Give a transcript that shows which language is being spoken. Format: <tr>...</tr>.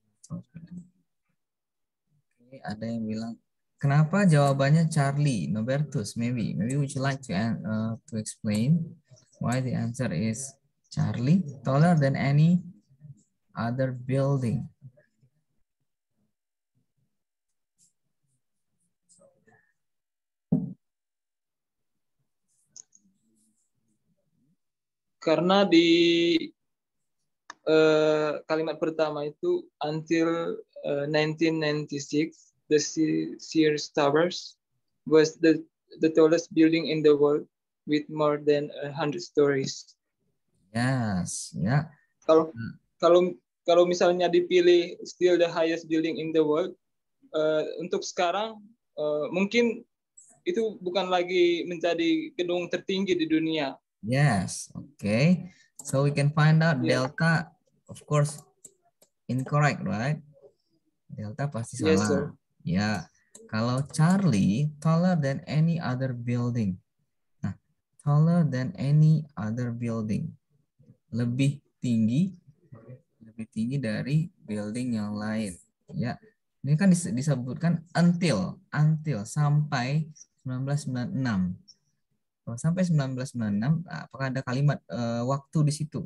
<id>Oke, ada yang bilang kenapa jawabannya Charlie?</id> <en>Nobertus, maybe would you like to explain why the answer is Charlie, taller than any other building.</en> <id>Karena di kalimat pertama itu</id> <en>until 1996 the Sears Towers was the tallest building in the world with more than 100 stories. Yes, yeah.</en> <id>Kalau misalnya dipilih</id> <en>still the highest building in the world,</en> <id>untuk sekarang mungkin itu bukan lagi menjadi gedung tertinggi di dunia.</id> <en>Yes, okay. So we can find out, yeah. Delta. Of course, incorrect, right?</en> <id>Delta pasti salah.</id> <en>Yes, sir. Ya, kalau Charlie taller than any other building. Nah, taller than any other building.</en> <id>Lebih tinggi dari building yang lain. Ya, ini kan disebutkan until sampai 1996. Kalau sampai 1996, apakah ada kalimat waktu di situ?</id>